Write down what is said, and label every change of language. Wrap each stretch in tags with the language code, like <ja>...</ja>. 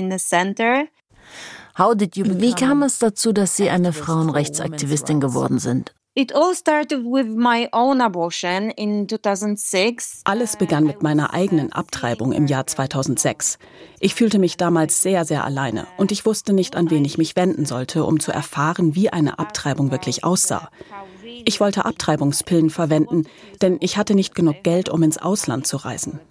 <de>Wie kam es dazu, dass Sie eine Frauenrechtsaktivistin geworden sind?</de> <en>It all started with my own abortion in 2006.</en> <de>Alles begann mit meiner eigenen Abtreibung im Jahr 2006. Ich fühlte mich damals sehr, sehr alleine und ich wusste nicht, an wen ich mich wenden sollte, um zu erfahren, wie eine Abtreibung wirklich aussah. Ich wollte Abtreibungspillen verwenden, denn ich hatte nicht genug Geld, um ins Ausland zu reisen.</de>